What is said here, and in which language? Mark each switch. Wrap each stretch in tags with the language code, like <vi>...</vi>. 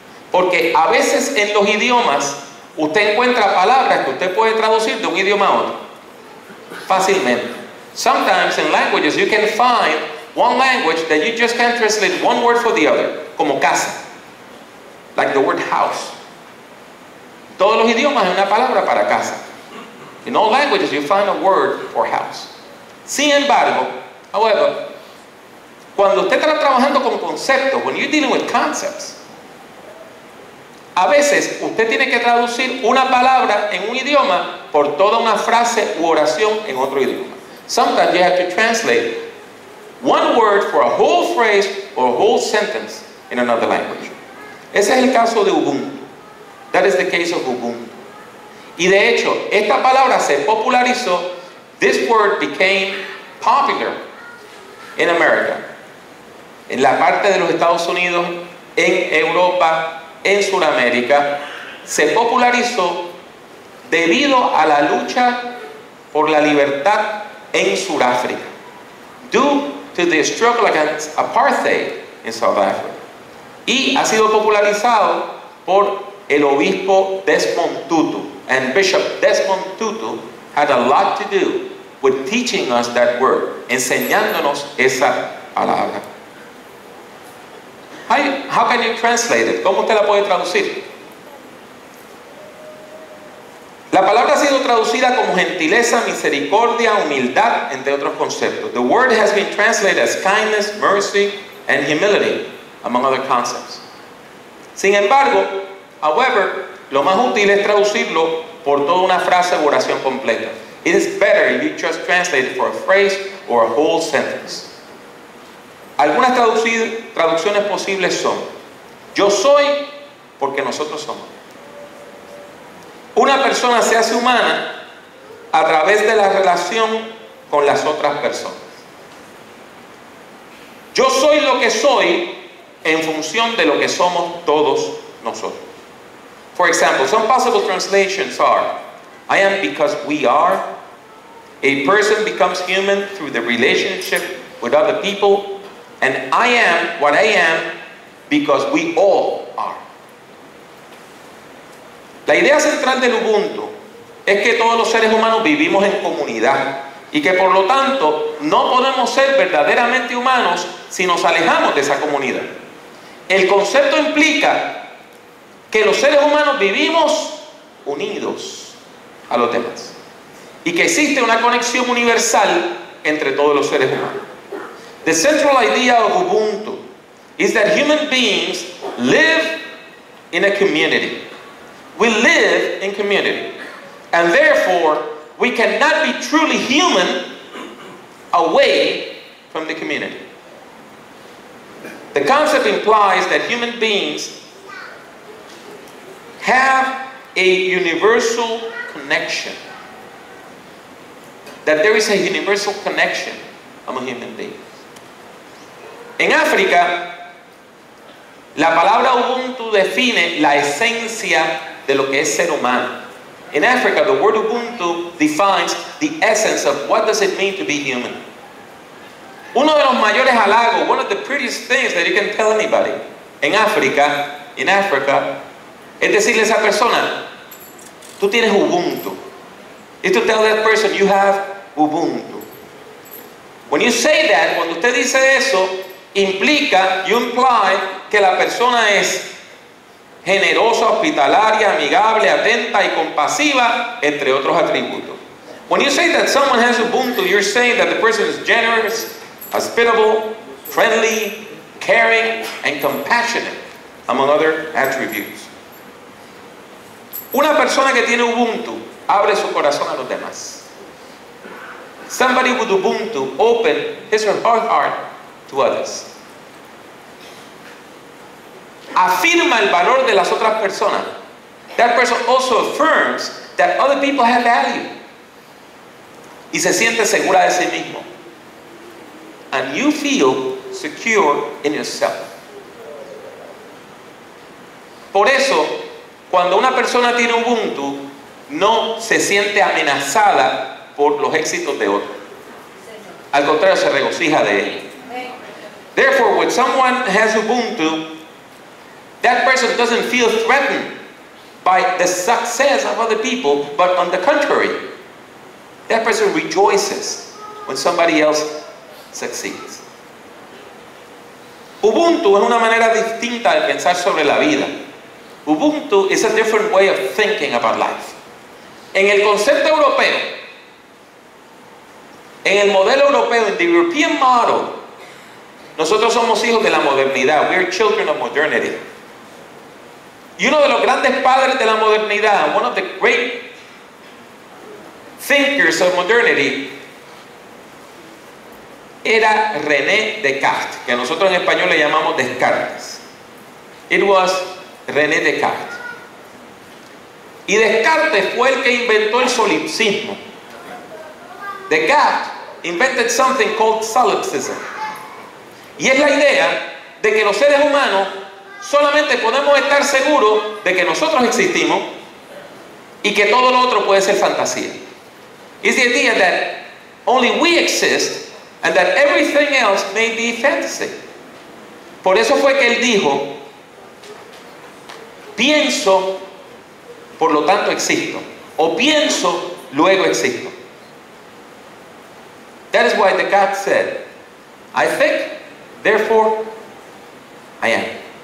<es>Porque a veces en los idiomas usted encuentra palabras que usted puede traducir de un idioma a otro. Fácilmente.</es> <en>Sometimes in languages you can find one language that you just can't translate one word for the other.</en> <es>Como casa.</es> <en>Like the word house.</en> <es>Todos los idiomas es una palabra para casa.</es> <en>In all languages you find a word for house.</en> <es>Sin embargo,</es> <en>however,</en> <es>cuando usted está trabajando con conceptos,</es> <en>when you're dealing with concepts,</en> <es>a veces usted tiene que traducir una palabra en un idioma por toda una frase u oración en otro idioma.</es> <en>Sometimes you have to translate one word for a whole phrase or a whole sentence in another language.</en> <es>Ese es el caso de Ubuntu.</es> <en>That is the case of Ubuntu.</en> <es>Y de hecho, esta palabra se popularizó.</es> <en>This word became popular in America,</en> <es>en la parte de los Estados Unidos, en Europa, en Sudamérica. Se popularizó debido a la lucha por la libertad en Sudáfrica.</es> <en>Due to the struggle against apartheid in South Africa.</en> <es>Y ha sido popularizado por el obispo Desmond Tutu.</es> <en>And Bishop Desmond Tutu had a lot to do with teaching us that word,</en> <es>enseñándonos esa palabra.</es> <en>How can you translate it?</en> <es>¿Cómo usted la puede traducir? La palabra ha sido traducida como gentileza, misericordia, humildad, entre otros conceptos.</es> <en>The word has been translated as kindness, mercy, and humility, among other concepts.</en> <es>Sin embargo,</es> <en>however,</en> <es>lo más útil es traducirlo por toda una frase o oración completa.</es> <en>It is better if you just translate it for a phrase or a whole sentence.</en> <es>Algunas traducciones posibles son: yo soy porque nosotros somos. Una persona se hace humana a través de la relación con las otras personas. Yo soy lo que soy en función de lo que somos todos nosotros.</es> <en>For example, some possible translations are: I am because we are. A person becomes human through the relationship with other people. And I am what I am because we all are.</en> <es>La idea central del Ubuntu es que todos los seres humanos vivimos en comunidad y que por lo tanto no podemos ser verdaderamente humanos si nos alejamos de esa comunidad. El concepto implica que los seres humanos vivimos unidos a los demás. Y que existe una conexión universal entre todos los seres humanos.</es> <en>The central idea of Ubuntu is that human beings live in a community. We live in community. And therefore, We cannot be truly human away from the community. The concept implies that human beings have a universal connection, that there is a universal connection among human beings.</en> <es>En África, la palabra Ubuntu define la esencia de lo que es ser humano.</es> <en>In Africa, the word Ubuntu defines the essence of what does it mean to be human.</en> <es>Uno de los mayores halagos,</es> <en>one of the prettiest things that you can tell anybody in Africa,</en> <es>es decirle a esa persona, tú tienes Ubuntu.</es> <en>Is to tell that person, you have Ubuntu. When you say that,</en> <es>cuando usted dice eso, implica,</es> <en>you imply</en> <es>que la persona es generosa, hospitalaria, amigable, atenta y compasiva, entre otros atributos.</es> <en>When you say that someone has Ubuntu, you're saying that the person is generous, hospitable, friendly, caring, and compassionate, among other attributes.</en> <es>Una persona que tiene Ubuntu abre su corazón a los demás.</es> <en>Somebody with Ubuntu open his or her heart to others.</en> <es>Afirma el valor de las otras personas.</es> <en>That person also affirms that other people have value.</en> <es>Y se siente segura de sí mismo.</es> <en>And you feel secure in yourself.</en> <es>Por eso, cuando una persona tiene Ubuntu, no se siente amenazada por los éxitos de otro. Al contrario, se regocija de él.</es> <en>Therefore, when someone has Ubuntu, that person doesn't feel threatened by the success of other people, but on the contrary, that person rejoices when somebody else succeeds.</en> <es>Ubuntu es una manera distinta de pensar sobre la vida.</es> <en>Ubuntu is a different way of thinking about life.</en> <es>En el concepto europeo, en el modelo europeo,</es> <en>in the European model,</en> <es>nosotros somos hijos de la modernidad.</es> <en>We are children of modernity.</en> <es>Y uno de los grandes padres de la modernidad,</es> <en>one of the great thinkers of modernity,</en> <es>era René Descartes, que nosotros en español le llamamos Descartes.</es> <en>It was René Descartes.</en> <es>Y Descartes fue el que inventó el solipsismo.</es> <en>Descartes invented something called solipsism.</en> <es>Y es la idea de que los seres humanos solamente podemos estar seguros de que nosotros existimos y que todo lo otro puede ser fantasía.</es> <en>It's the idea that only we exist and that everything else may be fantasy.</en> <es>Por eso fue que él dijo, pienso, por lo tanto existo. O pienso, luego existo.</es> <en>That is why Descartes said, I think, therefore, I am.</en>